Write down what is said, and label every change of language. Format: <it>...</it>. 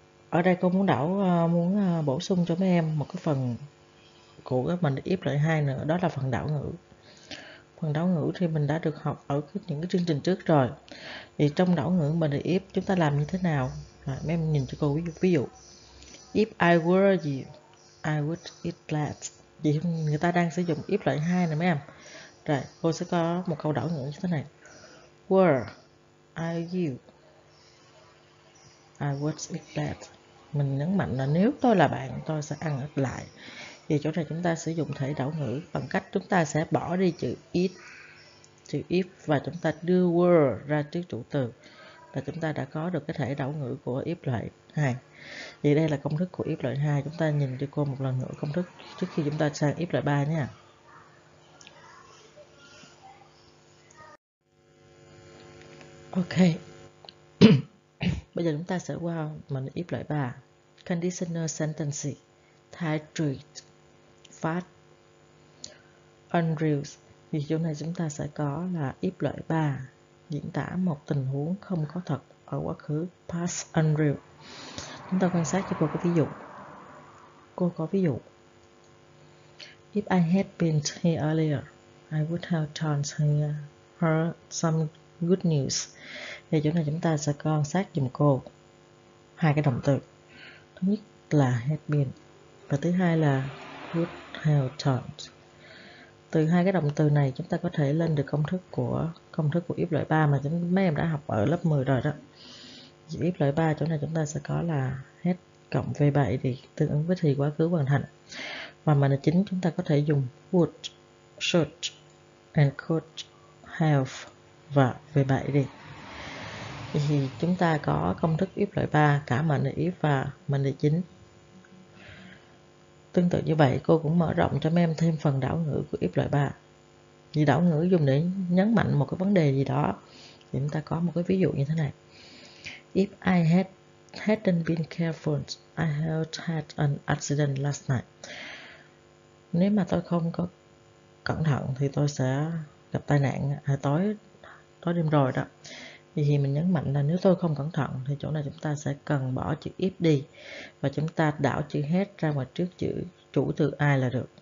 <vi>Ở đây cô muốn đảo muốn bổ sung cho mấy em một cái phần của cái mình if loại 2 nữa, đó là phần đảo ngữ. Phần đảo ngữ thì mình đã được học ở những cái chương trình trước rồi. Thì trong đảo ngữ mình if chúng ta làm như thế nào? Rồi, mấy em nhìn cho cô ví dụ.</vi> <en>If I were you, I would eat that.</en> <vi>Vì người ta đang sử dụng if loại 2 nè mấy em. Rồi, cô sẽ có một câu đảo ngữ như thế này.</vi> <en>Were I you, I would eat that.</en> <vi>Mình nhấn mạnh là nếu tôi là bạn, tôi sẽ ăn ít lại. Vì chỗ này chúng ta sử dụng thể đảo ngữ bằng cách chúng ta sẽ bỏ đi chữ eat, chữ if, và chúng ta đưa were ra trước chủ từ. Và chúng ta đã có được cái thể đảo ngữ của if loại 2. Vậy đây là công thức của if loại 2. Chúng ta nhìn cho cô một lần nữa công thức trước khi chúng ta sang if loại 3 nha. Ok, bây giờ chúng ta sẽ qua mình if loại 3.</vi> <en>Conditional sentences, title, fact, unreal.</en> <vi>Vì chỗ này chúng ta sẽ có là if loại 3, diễn tả một tình huống không có thật ở quá khứ, past unreal. Chúng ta quan sát cho cô có ví dụ. Cô có ví dụ.</vi> <en>If I had been here earlier, I would have told her some good news.</en> <vi>Thì chỗ này chúng ta sẽ quan sát giùm cô hai cái động từ. Thứ nhất là had been và thứ hai là would have told. Từ hai cái động từ này chúng ta có thể lên được công thức của if loại 3 mà mấy em đã học ở lớp 10 rồi đó. Thì if loại 3 chỗ này chúng ta sẽ có là had cộng V7 thì tương ứng với thì quá khứ hoàn thành. Và mà là chính chúng ta có thể dùng would, should and could have và V7 đi. Thì chúng ta có công thức if loại 3 cả mệnh đề if và mệnh đề chính. Tương tự như vậy, cô cũng mở rộng cho mấy em thêm phần đảo ngữ của if loại 3. Vì đảo ngữ dùng để nhấn mạnh một cái vấn đề gì đó. Thì chúng ta có một cái ví dụ như thế này.</vi> <en>If I hadn't been careful, I had an accident last night.</en> <vi>Nếu mà tôi không có cẩn thận thì tôi sẽ gặp tai nạn tối đêm rồi đó. Vì mình nhấn mạnh là nếu tôi không cẩn thận thì chỗ này chúng ta sẽ cần bỏ chữ if đi và chúng ta đảo chữ head ra ngoài trước chữ chủ từ I là được.</vi>